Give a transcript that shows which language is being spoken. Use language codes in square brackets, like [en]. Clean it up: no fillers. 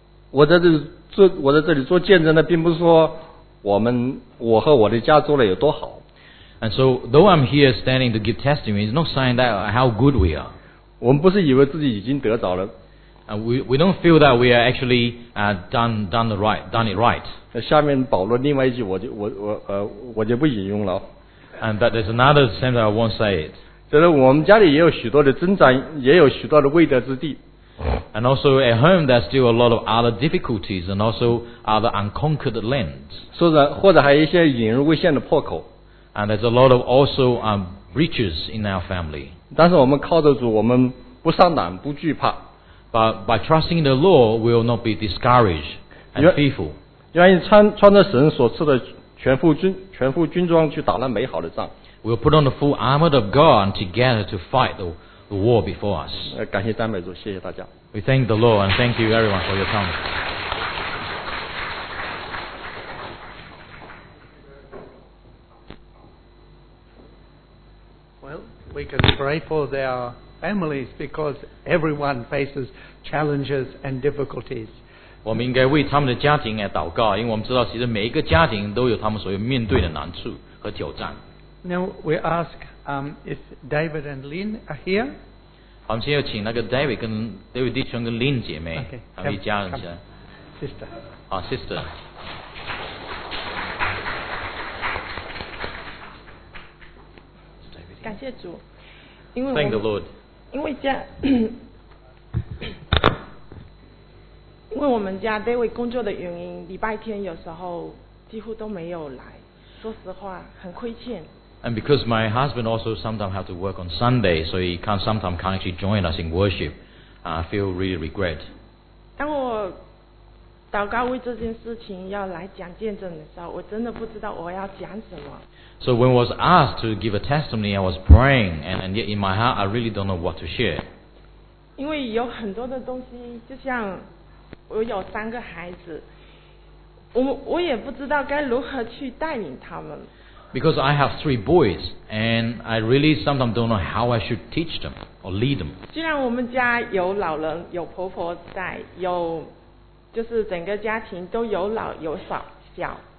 [zh] 我在这里做见证的，并不是说我和我的家做的有多好。 [en] And so, though I'm here standing to give testimony, it's not saying that how good we are. [zh] 我们不是以为自己已经得着了。 [en] We don't feel that we are actually done it right. [zh] 下面保罗另外一句我就不引用了。 [en] And that there's another sentence that I won't say it. [zh] 就是我们家里也有许多的挣扎，也有许多的未得之地。 [en] And also at home, there's still a lot of other difficulties and also other unconquered lands. [zh] 说着或者还有一些引入未现的破口。 [en] And there's a lot of also breaches in our family. [zh] 但是我们靠着主，我们不上胆，不惧怕。 [en] But by trusting the Lord, we will not be discouraged and fearful. [zh] 愿意穿着神所赐的全副军装去打那美好的仗。 [en] We'll put on the full armor of God together to fight the war before us. [zh] 感谢赞美主，谢谢大家。 [en] We thank the Lord and thank you everyone for your time. We can pray for their families because everyone faces challenges and difficulties. [zh] 我们应该为他们的家庭来祷告，因为我们知道，其实每一个家庭都有他们所要面对的难处和挑战。 [en] Now we ask, if David and Lynn are here. [zh] 我们先要请那个 David 跟 David 弟兄跟 Lynn 姐妹，他们一家人先。 [en] Sister. 啊 ，Sister. [zh] 感谢主，因为 [en] Thank the Lord. [zh] 因为我们家 David 工作的原因，礼拜天有时候几乎都没有来。说实话，很亏欠。 [en] And because my husband also sometimes have to work on Sunday, so he sometimes can't actually join us in worship. I feel really regret. [zh] 当我祷告为这件事情要来讲见证的时候，我真的不知道我要讲什么。 [en] So when I was asked to give a testimony, I was praying, and yet in my heart, I really don't know what to share. [zh] 因为有很多的东西，就像我有三个孩子，我也不知道该如何去带领他们。 [en] Because I have three boys, and I really sometimes don't know how I should teach them or lead them. [zh] 既然我们家有老人，有婆婆在，有就是整个家庭都有老有少小。